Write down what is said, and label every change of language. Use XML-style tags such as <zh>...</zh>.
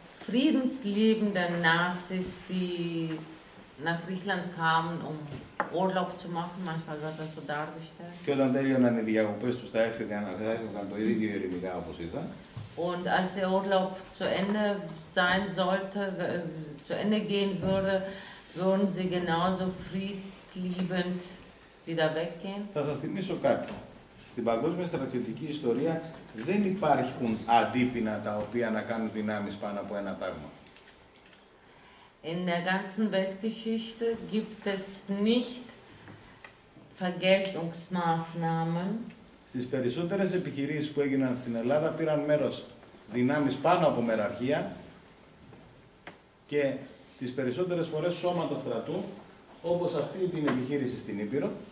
<de>Friedensliebenden Nazis, die nach Griechenland kamen, um Urlaub zu machen, manchmal wird das so dargestellt. Und als der Urlaub zu Ende sein sollte, zu Ende gehen würde, würden sie genauso friedliebend wieder weggehen.</de> <el>Θα σας θυμίσω κάτι. Στην παγκόσμια στρατιωτική ιστορία δεν υπάρχουν αντίπεινα τα οποία να κάνουν δυνάμεις πάνω από ένα τάγμα.</el> <de>In der ganzen Weltgeschichte gibt es nicht Vergeltungsmaßnahmen.</de> <el>Στις περισσότερες επιχειρήσεις που έγιναν στην Ελλάδα πήραν μέρος δυνάμεις πάνω από μεραρχία και τις περισσότερες φορές σώματα στρατού, όπως αυτή την επιχείρηση στην Ήπειρο.</el>